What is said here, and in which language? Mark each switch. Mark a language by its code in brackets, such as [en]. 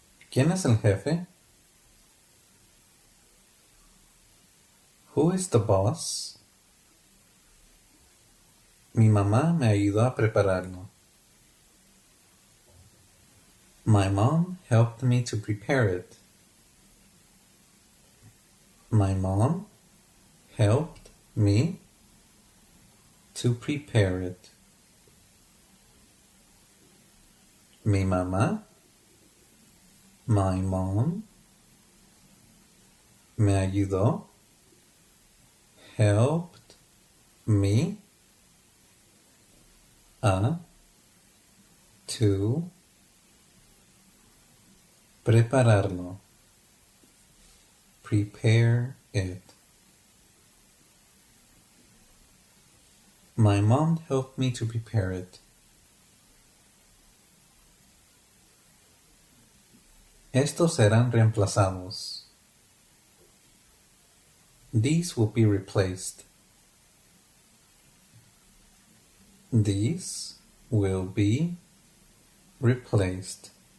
[es] ¿Quién es el jefe? [en] Who is the boss? [es] Mi mamá me ayudó a prepararlo. [en] My mom helped me to prepare it. My mom helped me to prepare it. [es] Mi mamá, [en] my mom, [es] me ayudó, [en] helped me to [es] prepararlo, [en] prepare it. My mom helped me to prepare it. [es] Estos serán reemplazados. [en] These will be replaced. These will be replaced.